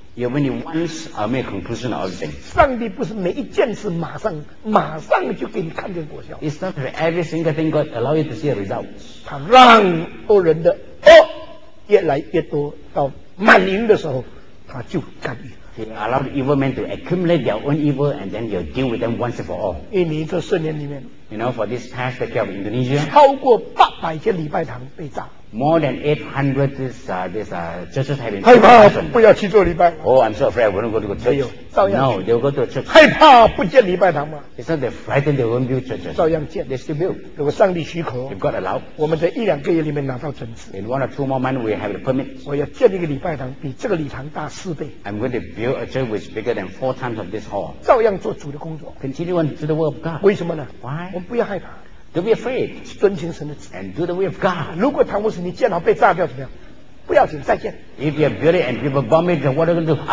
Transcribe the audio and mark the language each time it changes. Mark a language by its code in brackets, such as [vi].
[en] You only once make a conclusion of everything. [zh] 上帝不是每一件事马上就给你看见果效。 [en] It's not that every single thing God allow you to see a result. [zh] 他让多人的恶。越来越多到满盈的时候他就干预 [en] He allowed evil men to accumulate their own evil and then you deal with them once and for all [zh] 印尼这四年里面 [en] You know for this past decade of Indonesia [zh] 超过800间礼拜堂被炸 [en] More than 800 churches have been [zh] 害怕不要去做礼拜 [en] Oh I'm so afraid I won't go to church [zh] 没有照样 [en] No they'll go to a church [zh] 害怕不见礼拜堂吗 [en] It's not they're frightened they won't build churches [zh] 照样建 [en] They still build [zh] 如果上帝许可 [en] If God allow [zh] 我们在一两个月里面拿到准资 [en] In one or two more months we have the permit [zh] 我要建一个礼拜堂比这个礼堂大四倍 [en] I'm going to build a church which is bigger than 4 times of this hall [zh] 照样做主的工作 [en] Continue on to the work of God [zh] 为什么呢 [en] Why [zh] 我们不要害怕 [en] Don't be afraid. [zh] 遵循神的旨意 [en] And do the will of God. [zh] 如果唐牧师你建好被炸掉怎么样？不要紧，再建。 [en] If you build it and people bomb it, then what are you going to do?